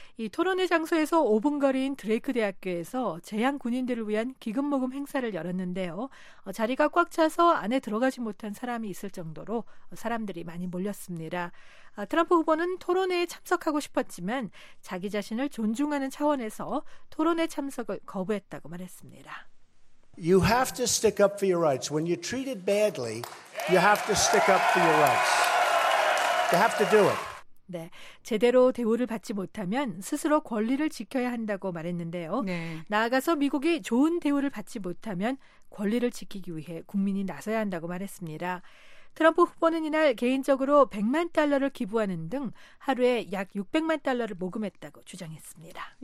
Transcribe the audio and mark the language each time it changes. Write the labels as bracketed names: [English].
[Korean] 이 토론회 장소에서 5분 거리인 드레이크 대학교에서 재향 군인들을 위한 기금 모금 행사를 열었는데요. 자리가 꽉 차서 안에 들어가지 못한 사람이 있을 정도로 사람들이 많이 몰렸습니다. 트럼프 후보는 토론회에 참석하고 싶었지만 자기 자신을 존중하는 차원에서 토론회 참석을 거부했다고 말했습니다. [English] You have to stick up for your rights. When you're treated badly, you have to stick up for your rights. You have to do it. [Korean] 네, 제대로 대우를 받지 못하면 스스로 권리를 지켜야 한다고 말했는데요. 네. 나아가서 미국이 좋은 대우를 받지 못하면 권리를 지키기 위해 국민이 나서야 한다고 말했습니다. 트럼프 후보는 이날 개인적으로 100만 달러를 기부하는 등 하루에 약 600만 달러를 모금했다고 주장했습니다.